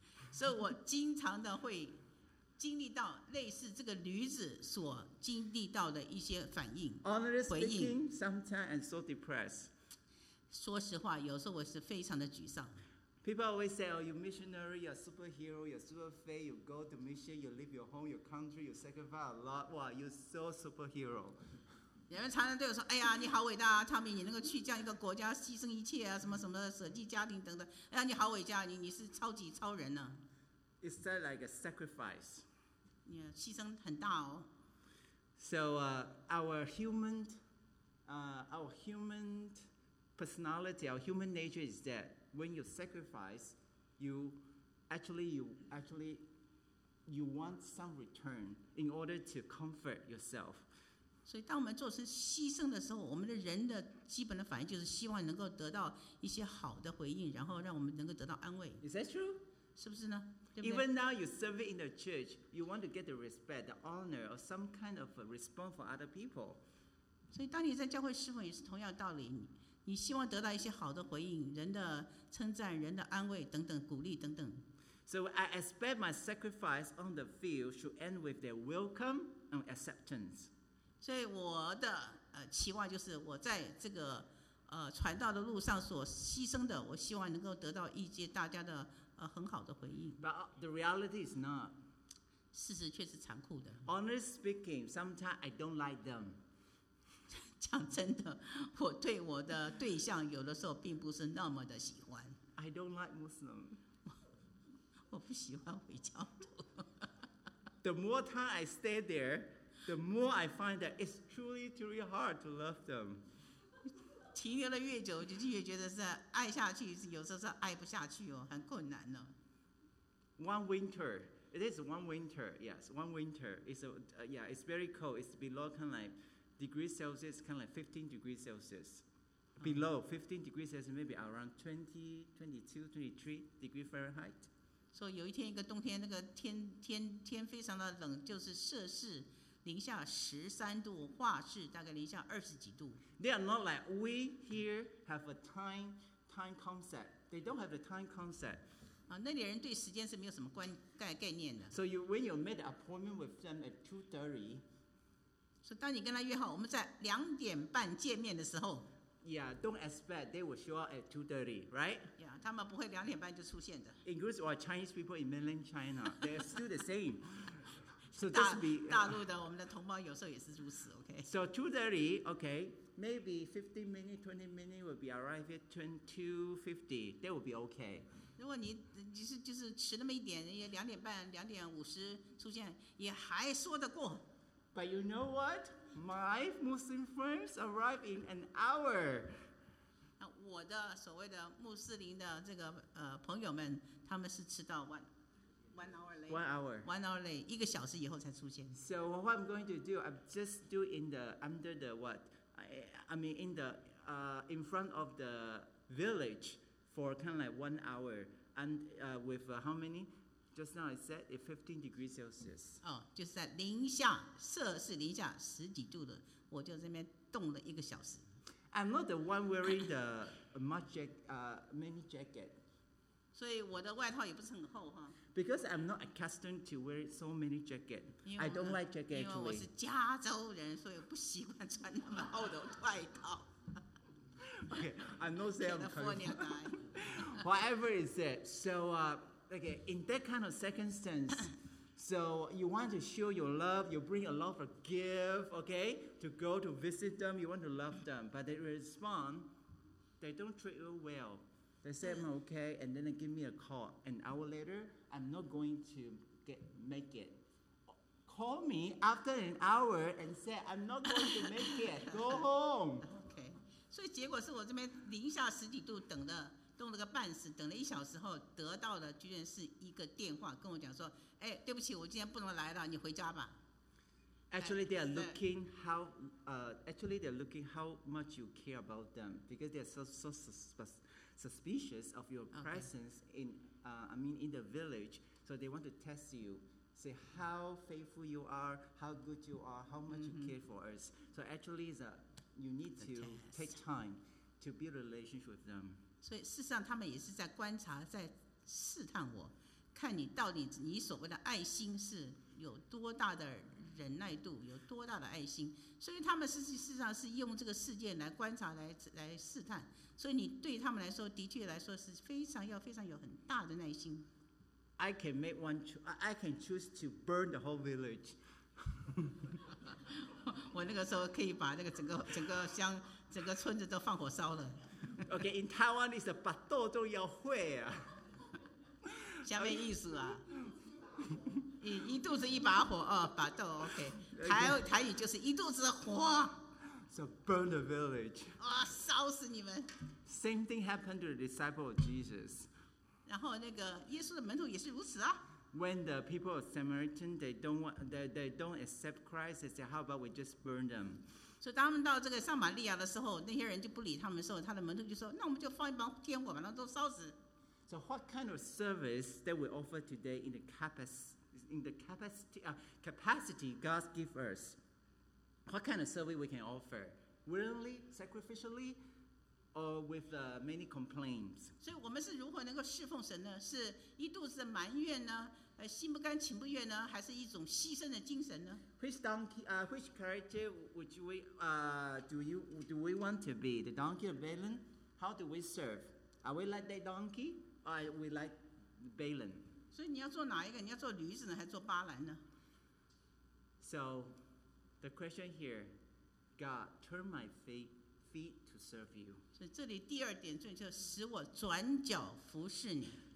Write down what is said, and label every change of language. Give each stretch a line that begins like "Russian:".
Chinese: 所以，我经常的会经历到类似这个驴子所经历到的一些反应、
English: Honestly、
Chinese: 回应。
English: Sometimes I'm so depressed.
Chinese: 说实话，有时候我是非常的沮丧。
English: People always say, "Oh, you missionary, you're a superhero, you're super faith, you go to mission, you leave your home, your country, you sacrifice a lot. Wow, you're so superhero."
Chinese: 人们常常对我说：“哎呀，你好伟大啊，汤米，你能够去这样一个国家，牺牲一切啊，什么什么，舍弃家庭等等。哎呀，你好伟大，你是超级超人呢。”
English: Is that like a sacrifice?
Chinese: Yeah, 牺牲很大哦。
English: So our human personality, our human nature is that when you sacrifice, you want some return in order to comfort yourself.
Chinese: 所以当我们做出牺牲的时候，我们的人的基本的反应就是希望能够得到一些好的回应，然后让我们能够得到安慰。
English: Is that true?
Chinese: 是不是呢？
English: Even now you serve in the church, you want to get the respect, the honor, or some kind of a response for other people.
Chinese: 所以当你在教会侍奉也是同样道理，你希望得到一些好的回应，人的称赞，人的安慰等等，鼓励等等。
English: So I expect my sacrifice on the field should end with their welcome and acceptance.
Chinese: 所以我的期望就是我在这个传道的路上所牺牲的，我希望能够得到一些大家的很好的回应。
English: But the reality is not.
Chinese: 事实却是残酷的。
English: Honest speaking, sometimes I don't like them.
Chinese: 讲真的，我对我的对象有的时候并不是那么的喜欢。
English: I don't like Muslim.
Chinese: 我不喜欢回教徒。
English: The more time I stay there, the more I find that it's truly, truly hard to love them. 停留了越久，就越觉得是爱下去，有时候是爱不下去哦，很困难呢、哦。 One winter, it is one winter, yes, one winter. It's a, yeah, it's very cold. It's below kind of like degrees Celsius, kind of like 15 degrees Celsius. Below 15 degrees Celsius, maybe around 20, 22, 23 degree Fahrenheit.
Chinese: 所以有一天一个冬天，那个天非常的冷，就是摄氏零下十三度，华氏大概零下二十几度。
English: They are not like we here have a time concept. They don't have a time concept.
Chinese: 啊，那里人对时间是没有什么概念的。
English: So when you made an appointment with them at 2:30,
Chinese: 所以当你跟他约好我们在两点半见面的时候
English: ，Yeah, don't expect they will show up at 2:30, right?
Chinese: Yeah, 他们不会两点半就出现的。
English: English or Chinese people in mainland China, they are still the same. So just be,
Chinese: 大陆的我们的同胞有时候也是如此 ，OK。
English: So 2:30, okay, maybe 15 minutes, 20 minutes will be arrive at 2:50, that will be okay.
Chinese: 如果你是迟那么一点，也两点半、两点五十出现，也还说得过。
English: But you know what? My Muslim friends arrive in an hour.
Chinese: 那我的所谓的穆斯林的这个朋友们，他们是迟到晚。
English: One hour late,
Chinese: 一个小时以后才出现。
English: So what I'm going to do, I'm just do in the under the what, I mean in the in front of the village for kind of like 1 hour and with how many? Just now I said it 15 degrees Celsius.
Chinese: 就是在零下摄氏零下十几度的，我就在那边冻了一个小时。
English: I'm not the one wearing the many jacket.
Chinese: 所以我的外套也不是很厚哈。
English: Because I'm not accustomed to wear so many jackets. I don't like jackets. Because I'm a Californian, so I don't like wearing so many jackets. Okay, I'm not saying I'm California guy. Whatever is it. So, okay, in that kind of circumstance, so you want to show your love, you bring a lot of gift, okay, to go to visit them, you want to love them, but they respond, they don't treat you well. They say I'm okay, and then they give me a call. An hour later, I'm not going to make it. Call me after an hour and say I'm not going to make it. Go home. Okay.
Chinese: 所以结果是我这边零下十几度等的，冻了个半死，等了一小时后得到的居然是一个电话，跟我讲说，哎，对不起，我今天不能来了，你回家吧。
English: Actually, they are looking how. Actually, they are looking how much you care about them because they are so suspicious of your presence in the village. So they want to test you, say how faithful you are, how good you are, how much you care for us. So actually, you need to take time to build a relationship with them.
Chinese: 所以事实上，他们也是在观察，在试探我，看你到底你所谓的爱心是有多大的。忍耐度有多大的爱心，所以他们事实上是用这个事件来观察、来试探。所以你对他们来说，的确来说是非常有很大的耐心。
English: I can make one, I can choose to burn the whole village.
Chinese: 我我那个时候可以把那个整个乡、整个村子都放火烧了。
English: Okay, in Taiwan, it's a
Chinese: 把豆都要会啊。下面意思啊，一肚子一把火啊，把豆 OK。台语就是一肚子的火。
English: So burn the village.
Chinese: 啊，烧死你们。
English: Same thing happened to the disciple of Jesus.
Chinese: 然后那个耶稣的门徒也是如此啊。
English: When the people of Samaritan they don't accept Christ, they say, "How about we just burn them?"
Chinese: So, 当他们到这个撒玛利亚的时候，那些人就不理他们的时候，他的门徒就说：“那我们就放一帮天火把他们都烧死。”
English: So, what kind of service that we offer today in the capacity God gives us? What kind of service we can offer willingly, sacrificially, or with many complaints?
Chinese: 所以我们是如何能够侍奉神呢？是一肚子的埋怨呢？心不甘情不愿呢？还是一种牺牲的精神呢？
English: Which character do we want to be? The donkey or Balaam? How do we serve? Are we like that donkey or are we like Balaam?
Chinese: 所以你要做哪一个？你要做驴子呢，还是做巴兰呢？
English: So the question here, God, turn my feet to serve you.
Chinese: 所以这里第二点就是使我转脚服侍你。